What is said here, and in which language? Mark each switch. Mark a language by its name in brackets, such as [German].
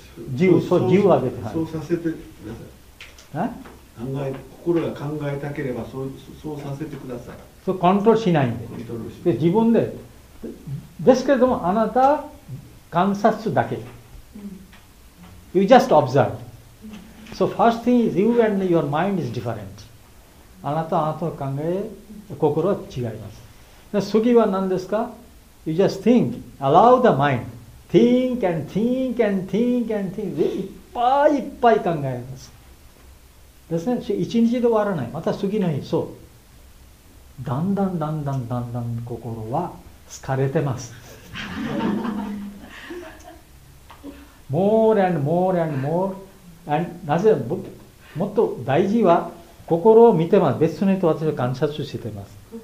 [Japanese] 自由、そう、自由を上げて、そうさせてください。心が考えたければそうさせてください。コントロールしないんで。で、自分で。ですけれども、あなた観察だけ。 [English] You just observe. So first thing is you and your mind is different. [Japanese] あなたの考え、心は違います。で、次は何ですか？ [English] You just think. Allow the mind. Think and think and think and think. [Japanese] でいっぱいいっぱい考えます。ですね。一日で終わらない。また次の日。そう。だんだんだんだんだんだん心は疲れてます。 [English] more and more and more and [Japanese] なぜもっと大事は心を見てます。別の人と私を観察してます。